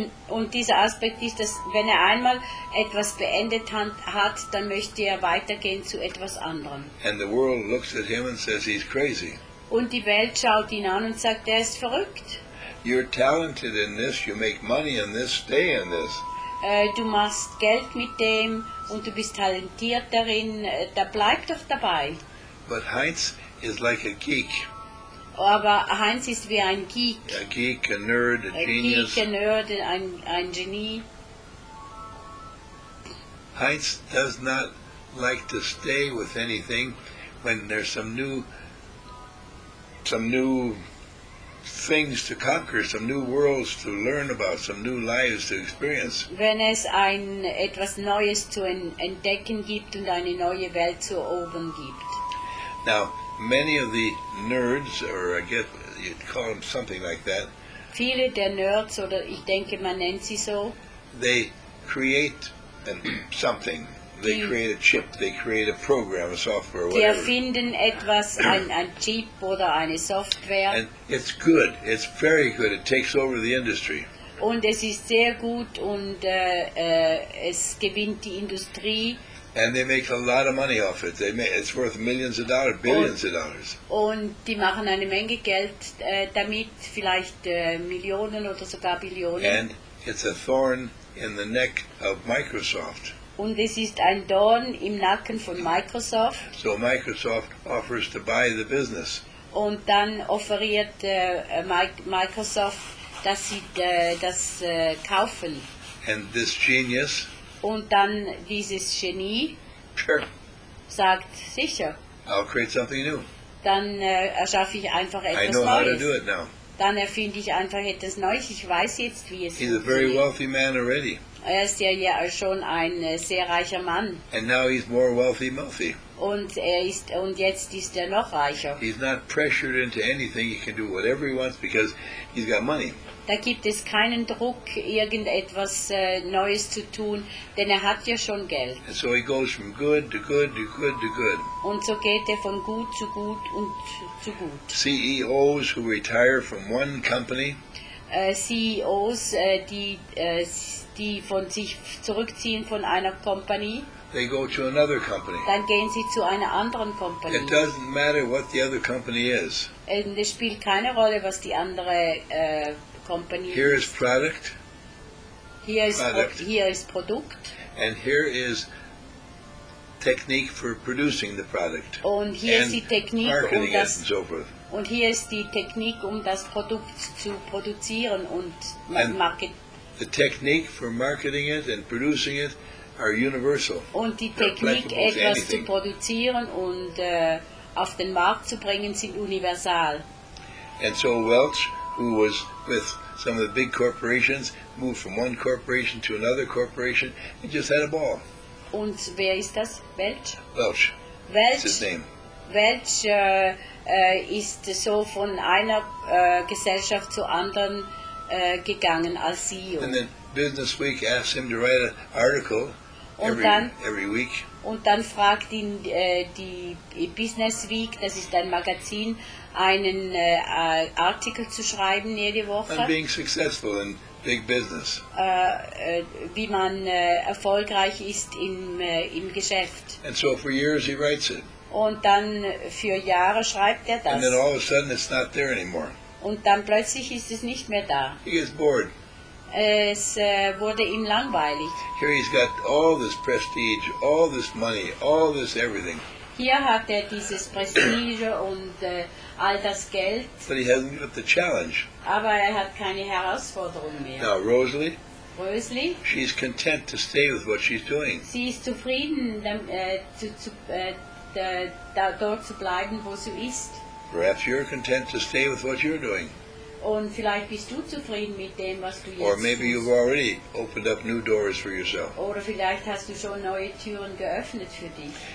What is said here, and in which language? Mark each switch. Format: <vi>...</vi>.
<de>Und dieser Aspekt ist, dass wenn einmal etwas beendet hat, dann möchte weitergehen zu etwas anderem.</de> <en>And the world looks at him and says he's crazy.</en> <de>Und die Welt schaut ihn an und sagt, ist verrückt.</de> <en>You're talented in this, you make money in this, stay in this.</en> <de>Du machst Geld mit dem und du bist talentiert darin, da bleib doch dabei.</de> <en>But Heinz is like a geek.</en> <de>Aber Heinz ist wie ein Geek.</de> <en>A geek, a nerd, a genius.</en> <de>Geek,</de> <en>a nerd,</en> <de>ein Genie.</de> <en>Heinz does not like to stay with anything when there's some new things to conquer, some new worlds to learn about, some new lives to experience.</en> <de>Wenn es etwas Neues zu entdecken gibt und eine neue Welt zu erobern gibt.</de> <en>Now, many of the nerds, or I guess you'd call them something like that.</en> <de>Viele der Nerds, oder ich denke, man nennt sie so.</de> <en>They create something. They create a chip. They create a program, a software, whatever.</en> <de>Die erfinden etwas, ein Chip oder eine Software.</de> <en>And it's good. It's very good. It takes over the industry.</en> <de>Und es ist sehr gut und es gewinnt die Industrie.</de> <en>And they make a lot of money off it. It's worth millions of dollars, billions of dollars.</en> <de>Und die machen eine Menge Geld damit, vielleicht Millionen oder sogar Billionen.</de> <en>And it's a thorn in the neck of Microsoft.</en> <de>Und es ist ein Dorn im Nacken von Microsoft.</de> <en>So Microsoft offers to buy the business.</en> <de>Und dann offeriert Microsoft, dass sie das kaufen.</de> <en>And this genius.</en> <de>Und dann dieses Genie sagt, sicher,</de> <en>I'll create something new.</en> <de>Dann erschaffe ich einfach etwas</de> <en>I know</en> <de>Neues.</de> <en>How to do it now.</en> <de>Dann erfinde ich einfach etwas Neues. Ich weiß jetzt, wie es</de> <en>He's funktioniert. A very wealthy man already.</en> <de>Ist ja schon ein sehr reicher Mann.</de> <en>And now he's more wealthy, wealthy.</en> <de>Und jetzt ist noch reicher.</de> <en>He's not pressured into anything. He can do whatever he wants because he's got money.</en> <de>Da gibt es keinen Druck, irgendetwas Neues zu tun, denn hat ja schon Geld.</de> <en>And so he goes from good to good to good to good.</en> <de>Und so geht von gut zu gut und zu gut.</de> <en>CEOs who retire from one company.</en> <de>CEOs, die von sich zurückziehen von einer Company.</de> <en>They go to another company.</en> <de>Dann gehen sie zu einer anderen Company.</de> <en>It doesn't matter what the other company is.</en> <de>Und es spielt keine Rolle, was die andere Company</de> <en>here is product. Here is product. And here is technique for producing the product.</en> <de>Und hier ist die Technik,</de> <en>marketing</en> <de>das,</de> <en>it and so forth.</en> <de>Und hier ist die Technik, das Produkt zu produzieren und market.</de> <en>The technique for marketing it and producing it are universal.</en> <de>Und die Technik, etwas zu produzieren und auf den Markt zu bringen, sind universal.</de> <en>And so Welch, who was with some of the big corporations, moved from one corporation to another corporation, and just had a ball.</en> <de>Und wer ist das? Welch? Welch. Welch.</de> <en>That's his name.</en> <de>Welch ist so von einer Gesellschaft zu anderen gegangen als CEO.</de> <en>And then Business Week asked him to write an article every week.</en> <de>und dann fragt ihn die Business Week, das ist ein Magazin, einen Artikel zu schreiben jede Woche.</de> <en>And being successful in big business.</en> <de>Wie man erfolgreich ist im Geschäft.</de> <en>And so for years he writes it.</en> <de>Und dann für Jahre schreibt er das.</de> <en>And then all of a sudden it's not there anymore.</en> <de>Und dann plötzlich ist es nicht mehr da.</de> <en>He gets bored.</en> <de>Es wurde ihm langweilig.</de> <en>Here he's got all this prestige, all this money, all this everything.</en> <de>Hier hat er dieses Prestige und all das Geld.</de> <en>But he hasn't got the challenge.</en> <de>Aber er hat keine Herausforderung mehr.</de> <en>Now Rosalie. Rosalie. She's content to stay with what she's doing.</en> <de>Sie ist zufrieden, dort zu bleiben, wo sie ist.</de> <en>Perhaps you're content to stay with what you're doing.</en> <de>Und vielleicht bist du zufrieden mit dem, was du jetzt</de> <en>tust. Or maybe you've already opened up new doors for yourself.</en> <de>Oder vielleicht hast du schon neue Türen geöffnet für dich.</de>